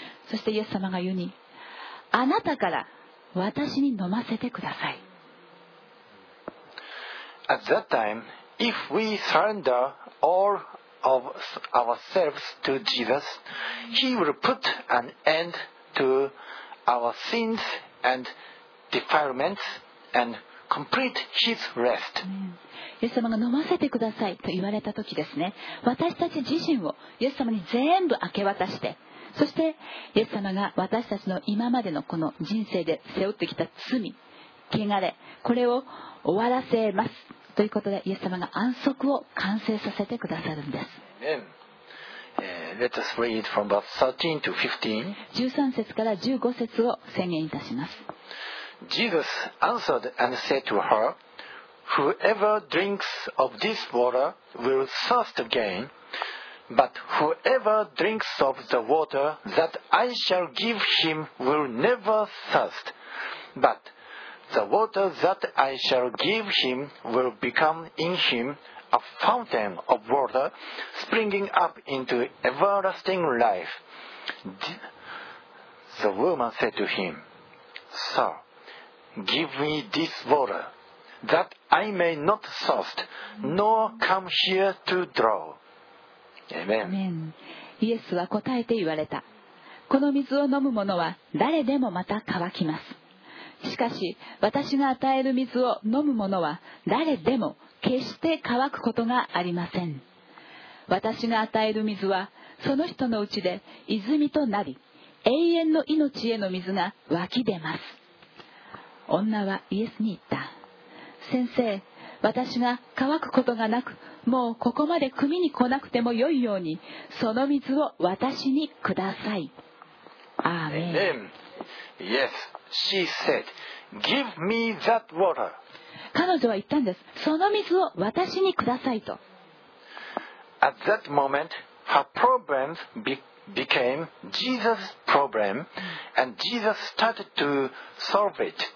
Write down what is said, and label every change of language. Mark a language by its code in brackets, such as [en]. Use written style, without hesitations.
[ja] そしてイエス様が言うに、あなたから私に飲ませてください。 [en] At that time, if we surrender all of ourselves to Jesus, He will put an end to our sins and defilements and complete His rest. [ja] イエス様が飲ませてくださいと言われた時ですね、私たち自身をイエス様に全部明け渡して、そしてイエス様が私たちの今までのこの人生で背負ってきた罪、汚れ、これを終わらせます、ということでイエス様が安息を完成させてくださるんです。 [en] Amen. Let us read from verse 13 to 15. [ja] 13節から15節を宣言いたします。 [en] Jesus answered and said to her, Whoever drinks of this water will thirst again, but whoever drinks of the water that I shall give him will never thirst, butThe water that I shall give him will become in him a fountain of water springing up into everlasting life. The woman said to him, Sir, give me this water, that I may not thirst, nor come here to draw. Amen. Amen. [ja] イエスは答えて言われた。この水を飲む者は誰でもまた乾きます。しかし私が与える水を飲む者は誰でも決して乾くことがありません。私が与える水はその人のうちで泉となり、永遠の命への水が湧き出ます。女はイエスに言った。先生、私が乾くことがなく、もうここまで汲みに来なくてもよいように、その水を私にください。アーメン。 [en] Yes, she said, "Give me that water." [ja] 彼女は言ったんです。その水を私にくださいと。 [en] At that moment, her problem became Jesus' problem, and Jesus started to solve it.